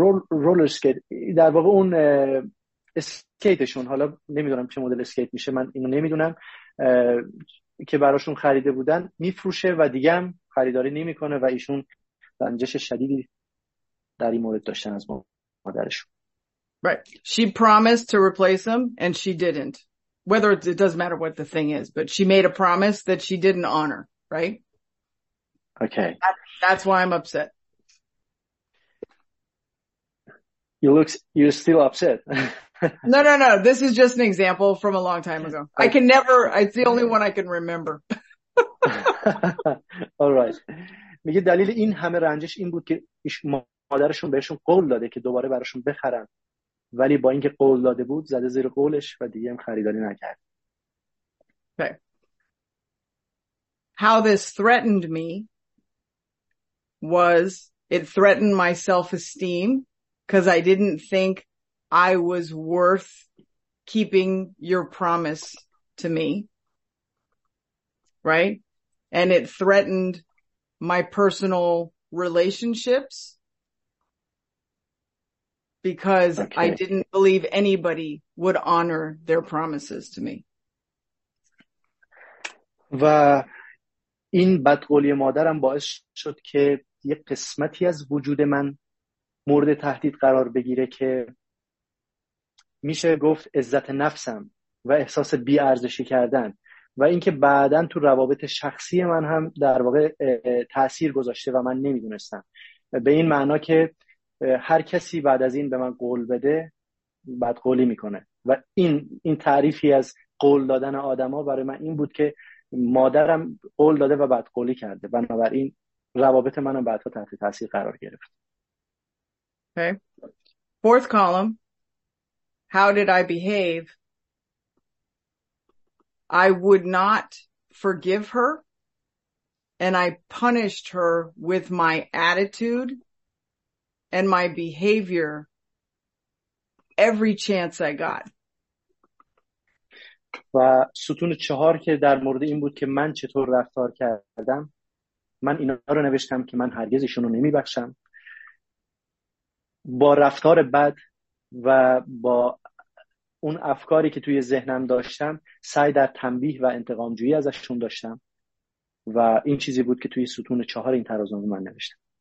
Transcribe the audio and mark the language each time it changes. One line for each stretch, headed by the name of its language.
Persian: رولر سکیت، در واقع اون اسکیتشون، حالا نمیدونم چه مدل اسکیت میشه، من اینو نمیدونم، که براشون خریده بودن میفروشه و دیگه هم خریداری نمی کنه و ایشون رنجش شدیدی در این مورد داشتن از مادرشون.
English: Right. She promised to replace them and she didn't. Whether it doesn't matter what the thing is, but she made a promise that she didn't honor, right? Okay. That's why I'm upset. You're still upset. No. This is just an example from a long time ago. I can never, it's the only one I can remember. All right.
Persian: میگه دلیل این همه رنجش این بود که مادرشون بهشون قول داده که دوباره براشون بخرن. ولی با اینکه قول داده بود زده زیر قولش و دیگه هم خریداری نکرد.
English: Okay. How this threatened me was it threatened my self-esteem because I didn't think I was worth keeping your promise to me. Right? And it threatened my personal relationships. Because okay. I didn't believe anybody would honor their promises to me.
Persian: و این بدقولی مادرم باعث شد که یک قسمتی از وجود من مورد تهدید قرار بگیره که میشه گفت عزت نفسم و احساس بی ارزشی کردن و اینکه بعداً تو روابط شخصی من هم در واقع تأثیر گذاشته و من نمیدونستم، به این معنا که هر کسی بعد از این به من قول بده بدقولی میکنه و این تعریفی از قول دادن آدم ها برای من این بود که مادرم قول داده و بدقولی کرده، بنابراین روابط منم بعدها تحت تاثیر قرار گرفت.
English: Okay. Fourth column. How did I behave? I would not forgive her and I punished her with my attitude and my behavior every chance I got.
Persian: و ستون چهار که در مورد این بود که من چطور رفتار کردم، من اینا رو نوشتم که من هرگز ایشونو نمیبخشم، با رفتار بد و با اون افکاری که توی ذهنم داشتم سعی در تنبیه و انتقام جویی ازشون داشتم و این چیزی بود که توی ستون چهار این ترازنامه من نوشتم.